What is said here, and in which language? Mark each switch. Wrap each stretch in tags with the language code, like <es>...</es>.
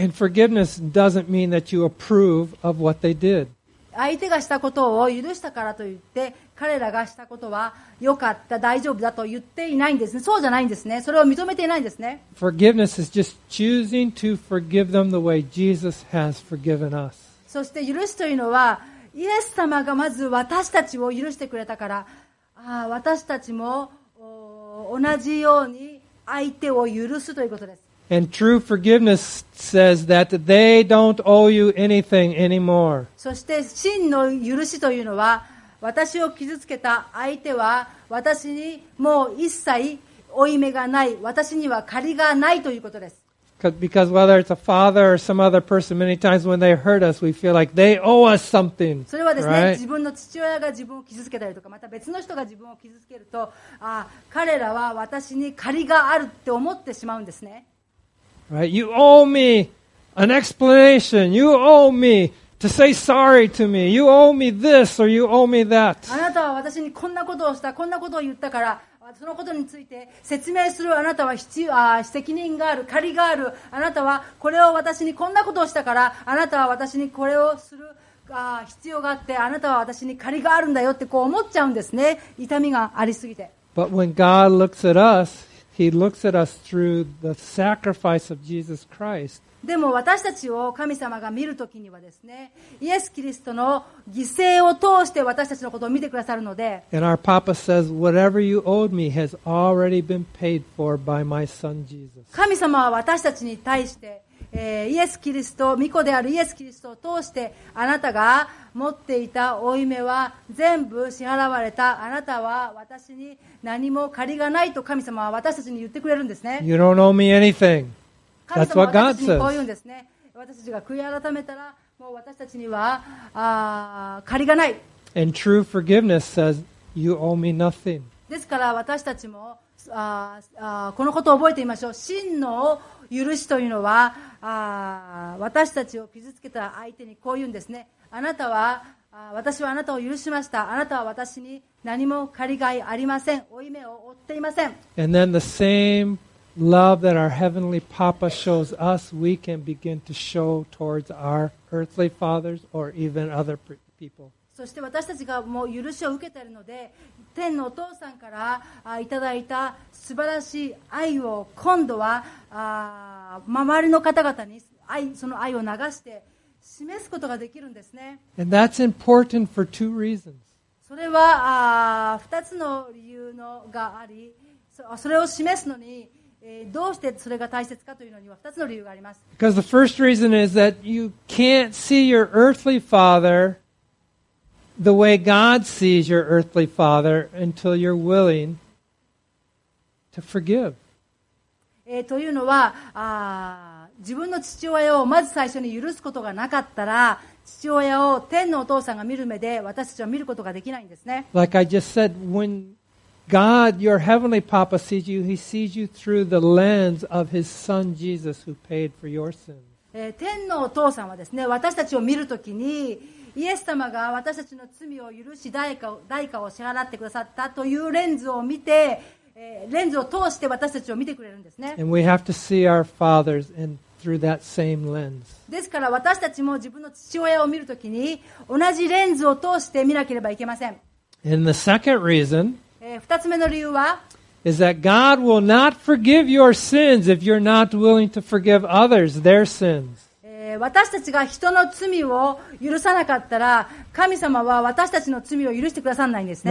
<en>And forgiveness doesn't mean that you approve of what they did.</en> <ja>相手がしたことを許したからといって彼らがしたことは良かった、大丈夫だと言っていないんですね。そうじゃないんですね。それを認めていないんですね。</ja> <en>Forgiveness is just choosing to forgive them the way Jesus has forgiven us.</en> <ja>そして許しというのはイエス様がまず私たちを許してくれたから、私たちも同じように相手を許すということです。</ja> <en>And true forgiveness says that they don't owe you anything anymore.</en> <ja>そして真の許しというのは、私を傷つけた相手は私にもう一切負い目がない、私には借りがないということです。</ja> <en>Because whether it's a father or some other person, many times when they hurt us, we feel like they owe us something.</en> <ja>それはですね、自分の父親が自分を傷つけたりとか、また別の人が自分を傷つけると、彼らは私に借りがあるって思ってしまうんですね。</ja> <en>Right? You owe me an explanation. You owe me to say sorry to me. You owe me this or you owe me that.</en> <ja>あなたは私にこんなことをした、こんなことを言ったから、そのことについて説明するあなたは責任がある、借りがある。あなたはこれを私にこんなことをしたから、あなたは私にこれをする必要があって、あなたは私に借りがあるんだよってこう思っちゃうんですね。痛みがありすぎて。</ja> <en>But when God looks at us, He looks at us through the sacrifice of Jesus Christ.</en> <ja>でも私たちを神様が見るときにはですね、イエス・キリストの犠牲を通して私たちのことを見てくださるので、</ja> <en>And our Papa says, whatever you owed me has already been paid for by my son Jesus.</en> <ja>神様は私たちに対して、イエス・キリスト、御子であるイエス・キリストを通して、あなたが持っていた負い目は全部支払われた。あなたは私に何も借りがないと神様は私たちに言ってくれるんですね。</ja> <en>You don't owe me anything. That's what God says.</en> <ja>神様は私たちにこう言うんですね。私たちが悔い改めたら、もう私たちには借りがない。</ja> <en>And true forgiveness says, you owe me nothing.</en> <ja>ですから私たちもこのことを覚えてみましょう。真の許しというのは私たちを傷つけた相手にこう言うんですね。あなたは私はあなたを許しました。あなたは私に何も借りがいありません。負い目を負っていません。</ja> <en>And then the sameLove that our heavenly Papa shows us, we can begin to show towards our earthly fathers or even other people.</en> <ja>そして私たちがもう許しを受けているので、天のお父さんからいただいた素晴らしい愛を今度は周りの方々にその愛を流して示すことができるんですね。</ja> <en>And that's important for two reasons.</en> <ja>それは二つの理由のがあり、それを示すのに。どうしてそれが大切かというのには2つの理由があります。</ja> <en>Because the first reason is that you can't see your earthly father the way God sees your earthly father until you're willing to forgive.</en> <ja>というのは、自分の父親をまず最初に許すことがなかったら、父親を天のお父さんが見る目で私たちは見ることができないんですね。</ja> <en>Like I just said, when God, your heavenly Papa sees you, He sees you through the lens of His Son Jesus who paid for your sins.</en> <ja>天のお父さんはですね、私たちを見るときに、イエス様が私たちの罪を許し代価を支払ってくださったというレンズを見て、レンズを通して私たちを見てくれるんですね。</ja> <en>And we have to see our fathers in through that same lens.</en> <ja>ですから私たちも自分の父親を見るときに同じレンズを通して見なければいけません。</ja> <en>And the second reason,</en> <ja>2つ目の理由は、</ja> <en>is that God will not forgive your sins if you're not willing to forgive others their sins.</en> <ja>私たちが人の罪を許さなかったら、神様は私たちの罪を許してくださらないんですね。</ja>